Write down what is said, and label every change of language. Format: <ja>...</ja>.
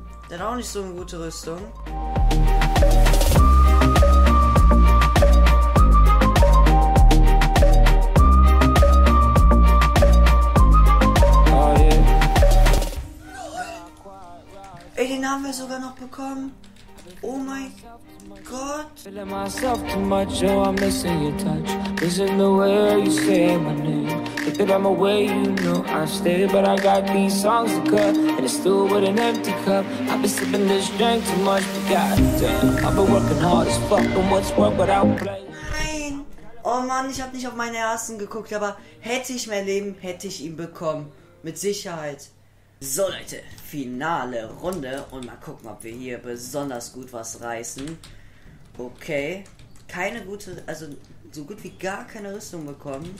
<de>Der hat auch nicht so eine gute Rüstung. Oh, yeah. Ey, den haben wir sogar noch bekommen. Oh mein Gott.</de> <en>Feeling myself too much, oh I'm missing your touch. Listen to where you say my name. If I'm away, you know I stay. But I got these songs to cut, and it's still with an empty cup. I've been sipping this drink too much, but goddamn, I've been working hard as fuck. And what's wrong without playing?</en> <de>Nein! Oh man, ich hab nicht auf meine ersten geguckt, aber hätte ich mein Leben, hätte ich ihn bekommen. Mit Sicherheit. So Leute, finale Runde und mal gucken, ob wir hier besonders gut was reißen. Okay, keine gute, also so gut wie gar keine Rüstung bekommen.</de>